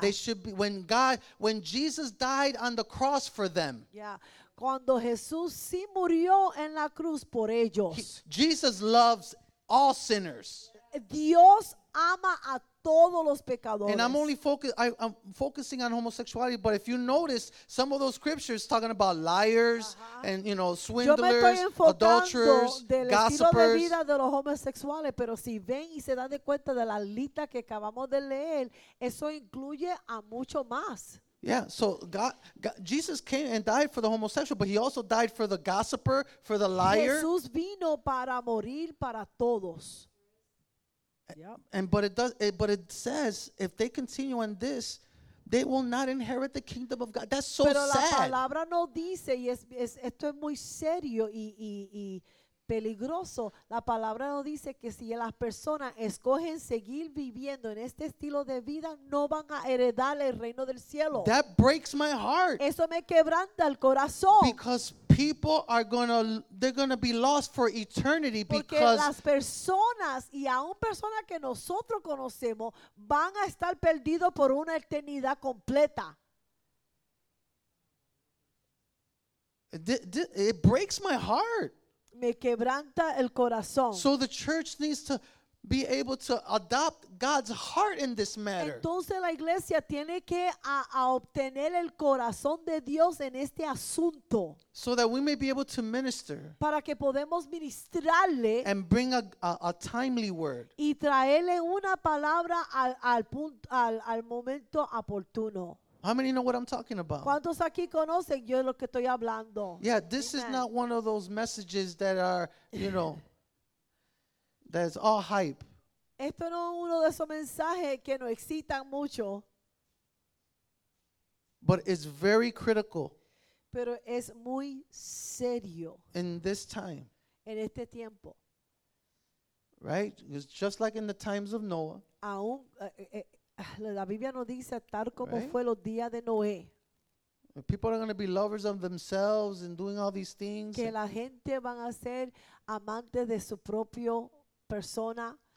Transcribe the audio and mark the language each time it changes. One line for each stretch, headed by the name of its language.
English: They should be when Jesus died on the cross for them. Yeah.
Spanish: Cuando Jesús sí murió en la cruz por ellos.
English: Jesus loves all sinners.
Spanish: Dios ama a todos los pecadores.
English: And I'm only focusing on homosexuality, but if you notice, some of those scriptures talking about liars, uh-huh, and, you know, swindlers, adulterers, gossipers.
Spanish: Del estilo de vida de los homosexuales, pero si ven y se dan de cuenta de la lista que acabamos de leer, eso incluye a mucho más.
English: Yeah, so God, Jesus came and died for the homosexual, but he also died for the gossiper, for the liar.
Spanish: Jesús vino para morir para todos.
English: Yep. And but it says if they continue in this, they will not inherit the kingdom of God. That's so
Spanish: Pero
English: sad.
Spanish: Pero la palabra no dice y es esto es muy serio y peligroso. La palabra no dice que si las personas escogen seguir viviendo en este estilo de vida, no van a heredar el reino del cielo.
English: That breaks my heart.
Spanish: Eso me quebranta el corazón.
English: Because people are gonna be lost for eternity because
Spanish: porque las personas y aun personas que nosotros conocemos van a estar perdidos por una eternidad completa.
English: It breaks my heart.
Spanish: Me quebranta el corazón.
English: So the church needs to be able to adopt God's heart in this matter.
Spanish: Entonces la iglesia tiene que a obtener el corazón de Dios en este asunto.
English: So that we may be able to minister.
Spanish: Para que podemos ministrarle.
English: And bring a timely word.
Spanish: Y traerle una palabra al momento oportuno.
English: How many know what I'm talking about?
Spanish: ¿Cuántos aquí conocen yo lo que estoy hablando?
English: Yeah, this Amen. Is not one of those messages that are, you know, that's all hype.
Spanish: Esto no es uno de esos mensajes que nos excitan mucho.
English: But it's very critical.
Spanish: Pero es muy serio.
English: In this time.
Spanish: En este tiempo.
English: Right? It's just like in the times of Noah.
Spanish: Aún la Biblia nos dice tal como fue los días de Noé.
English: People are going to be lovers of themselves and doing all these things.
Spanish: Que la gente van a ser amantes de su propio persona.